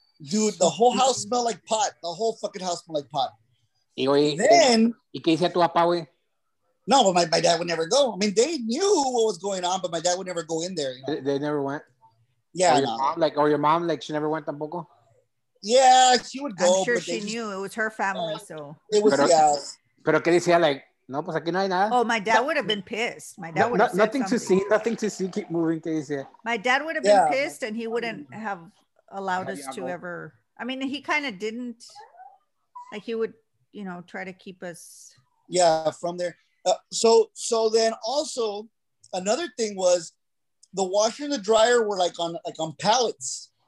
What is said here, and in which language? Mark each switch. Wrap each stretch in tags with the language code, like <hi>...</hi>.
<en>Dude, the whole house smelled like pot. The whole fucking house smelled like pot.</en> <es>¿Y qué dice tu papá, güey?</es> <en>No, but my dad would never go. I mean, they knew what was going on, but my dad would never go in there. You know? They never went? Yeah, Or your mom, like, she never went</en> <es>tampoco?</es> <en>Yeah, she would go. I'm sure she knew. It was her family, so. It was,</en> <es>Pero que decía,</es> <en>like,</en> <es>no, pues aquí no hay nada.</es> <en>Oh, my dad would have been pissed. My dad would have said nothing something. Nothing to see. Keep moving,</en> <es>que decía.</es> <en>My dad would have been pissed, and he wouldn't have allowed us to ever. I mean, he kind of didn't. Like, he would, you know, try to keep us. Yeah, from there. So then also, another thing was the washer and the dryer were, like on pallets.</en>